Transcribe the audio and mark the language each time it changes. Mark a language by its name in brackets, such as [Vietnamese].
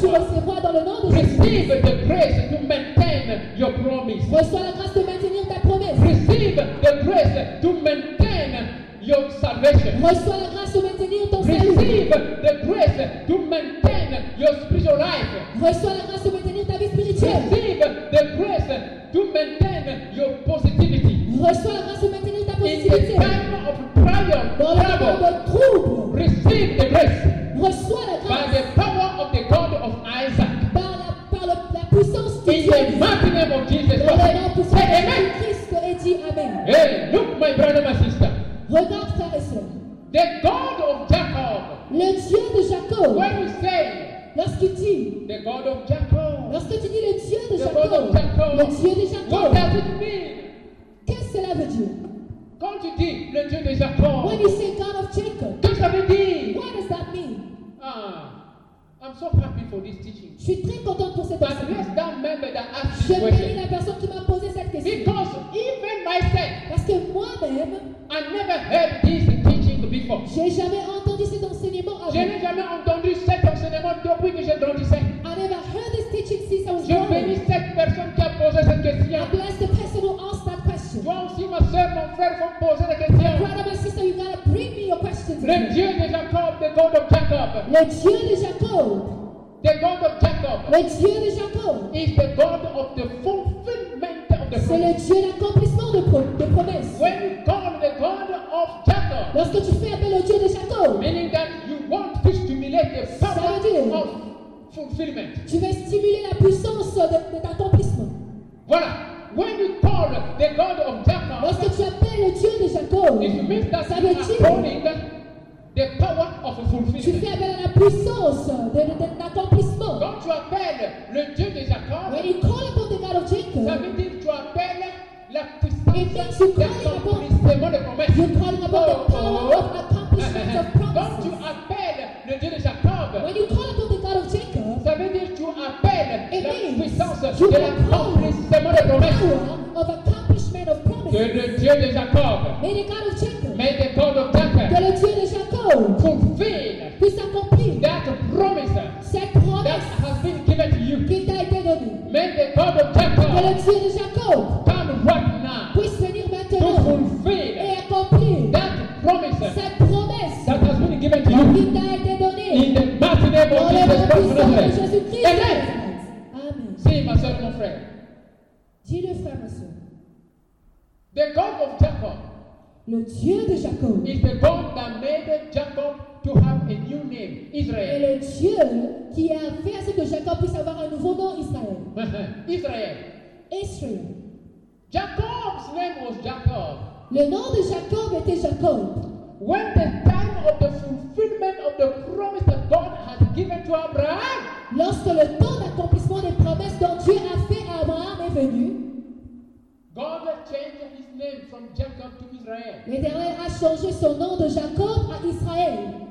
[English] Christ. Receive the grace to maintain your promise. [French] Reçois la grâce de maintenir ta promesse. [English] Receive the grace to maintain your salvation. [French] Reçois la grâce de maintenir ton salut. [English] Receive the grace to maintain your spiritual life. [French] Reçois la grâce de maintenir ta vie spirituelle. [English] Receive the grace to maintain your positivity. [French] Reçois la grâce de maintenir ta positivité. [English] In the time of trial, trouble, receive the grace. [French] Reçois la grâce. [English] By the power of the God of Isaac. [French] Par la puissance de [English] In [French] Dieu. [English] In the mighty name of Jesus Christ. Say amen. [French] Christ et dit amen. [English] Hey, look, my brother, my sister. [French] Regarde, frère et soeur. [English] The God of Jacob. [French] Le Dieu de Jacob. [English] When you say. [French] Lorsque tu dis. [English] The God of Jacob. [French] Lorsque tu dis le Dieu de [English] the Jacob, Jacob. [French] Le Dieu de Jacob. [English] What does it mean? [French] Qu'est-ce que cela veut dire? Quand tu dis le Dieu de Jacob. [English] When you say God of Jacob. [French] Qu'est-ce que ça veut dire? [English] What does that mean? Ah, I'm so happy for this teaching. [French] Je suis très contente pour cette [English] enseignement. But enseignant. That member that asked [French] Je [English] this question. [French] Je bénis la personne qui m'a posé cette question. [English] Because even myself. [French] Parce que moi-même. [English] I never heard this teaching before. [French] J'ai jamais entendu cet enseignement avant. Je n'ai jamais entendu cet enseignement depuis que j'ai grandi. [English] I never heard this teaching since I was [French] Je bénis cette personne qui a posé cette question. [English] I bless the person who asked that question. [French] Toi aussi, ma soeur, mon frère, faut poser des questions. [English] Brother, my sister, you gotta bring me your questions. [French] Le Dieu de Jacob, [English] the God of Jacob. [French] Le Dieu de Jacob. [English] The God of Jacob. [French] Le Dieu de Jacob. [English] Is the God of the fulfillment. [French] C'est le Dieu d'accomplissement de promesses. [English] When you call the God of Jacob, [French] lorsque tu fais appel au Dieu de Jacob, [English] meaning that you want to stimulate the power of fulfillment. [French] Tu veux stimuler la puissance de d'accomplissement. [English] Voilà. When you call the God of Jacob, [French] lorsque tu appelles le Dieu de Jacob, [English] it means that you are calling the power of fulfillment. [French] Tu fais appel à la puissance de d'accomplissement. Quand tu appelles le Dieu de Jacob, [English] when you call upon the God of Jacob, [French] ça veut dire tu appelles la puissance d'accomplissement de promesses. [English] You're calling upon the power of accomplishment of promises. [French] Quand tu appelles le Dieu de Jacob, [English] when you call upon the God of Jacob, [French] ça veut dire tu appelles la puissance de l'accomplissement de promesses. [English] Of accomplishment of promises. [French] Que le Dieu de Jacob, [English] may the God of Jacob, may the God of Jacob, [French] que le Dieu de Jacob, [English] fulfill, [French] puisse accomplir, [English] that promise, [French] cette promesse, [English] that has been given to you, [French] qui t'a été donnée. [English] May the God of Jacob, [French] que le Dieu de Jacob, [English] come right now, [French] puisse venir maintenant, [English] to fulfill, [French] et accomplir, [English] that promise, [French] cette promesse, [English] that has been given to you, [French] qui t'a été donnée. [English] In the mighty name of Jesus Christ, amen. Say, my son, my friend. [French] Dis-le, frère, ma soeur. [English] The God of Jacob. [French] Le Dieu de Jacob. [English] Is the God that made Jacob to have a new name, Israel. [French] Et le Dieu qui a fait à ce que Jacob puisse avoir un nouveau nom, Israël. Israël. Israël. [English] Jacob's name was Jacob. [French] Le nom de Jacob était Jacob. [English] When the time of the fulfillment of the promise that God had given to Abraham. [French] lorsque le temps d'accomplissement des promesses dont Dieu a fait à Abraham est venu, [English] God has changed his name from Jacob to Israel. [French] L'Éternel a changé son nom de Jacob à Israël.